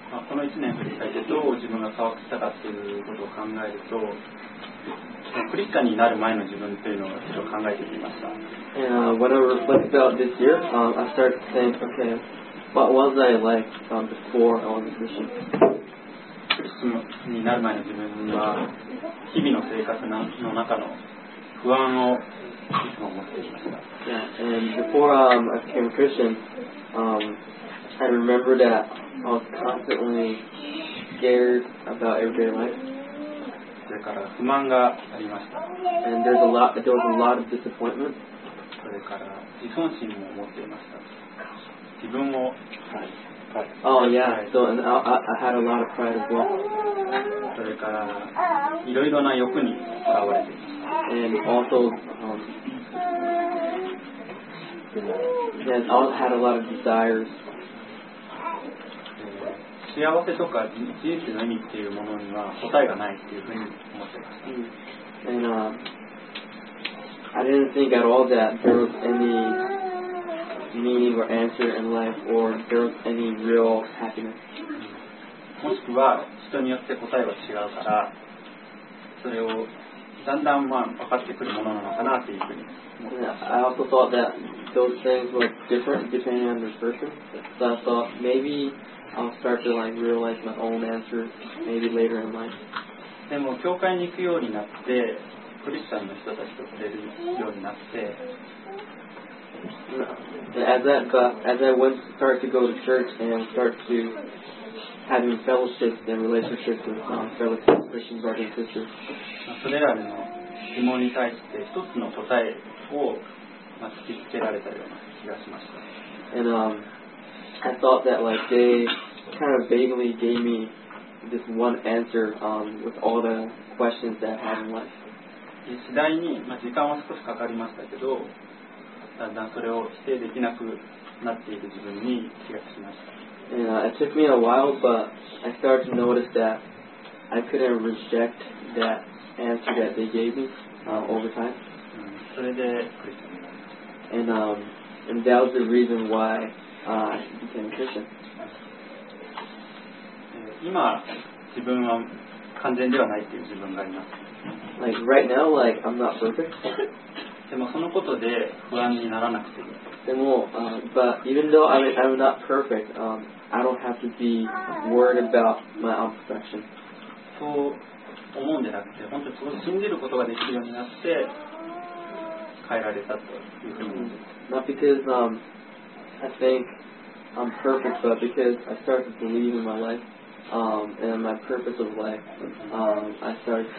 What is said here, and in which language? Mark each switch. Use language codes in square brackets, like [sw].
[ja] この1年振り返ってどう自分が変わったかということを考えると、クリスチャンになる前の自分というのをちょっと考えてみました。 [en] And when I reflect about this year, I started to think, okay, what was I like before I was a Christian? [ja] クリスチャンになる前の自分は日々の生活の中の不安をいつも持っていました。 [en] Yeah, and before I became a Christian, I remember that I was constantly scared about everyday life. [ja] それから不満がありました。 [en] And there was a lot of disappointment. [ja] それから自尊心も持っていました。自分も、はい。 [en] Oh yeah, so and I had a lot of pride as well. [ja] それからいろいろな欲に囚われていました。 [en] And also, had a lot of desires. [ja] 幸せとか人生の意味っていうものには答えがないっていうふうに思ってました。 [en] And I didn't think at all that there was any. Meaning or answer in life, or if there was any real happiness. [ja] もしくは人によって答えは違うから、それをだんだん分かってくるものなのかなっていうふうに。 [en] I also thought that those things were different depending on the person. So I thought maybe I'll start to like realize my own answer maybe later in life. [ja] でも教会に行くようになって、クリスチャンの人たちと触れるようになって。 [en] As I started to go to church and start to having fellowships and relationships with fellow Christian brothers and sisters. [ja] それらの疑問に対して一つの答えを突きつけられたような気がしました。 [en] And I thought that like they kind of vaguely gave me this one answer with all the questions that I had in life. [ja] 次第に、時間は少しかかりましたけど。だんだんそれを否定できなくなっている自分に気がつきました。 [en] Yeah, it took me a while, but I started to notice that I couldn't reject that answer that they gave me over time. [ja] それでクリスチャンになりました。 [en] And that was the reason why I became a Christian. [ja] 今自分は完全ではないっていう自分があります。 [en] Like right now, like I'm not perfect. [ja] でもそのことで不安にならなくていい。でも、 [en] but even though I'm not perfect, I don't have to be worried about my imperfection. [ja] そう思うんじゃなくて、本当にそう信じることができるようになって変えられたというふうに思います。 [en] Not because I think I'm perfect, but because I started to believe in my life, and my purpose of life, I started to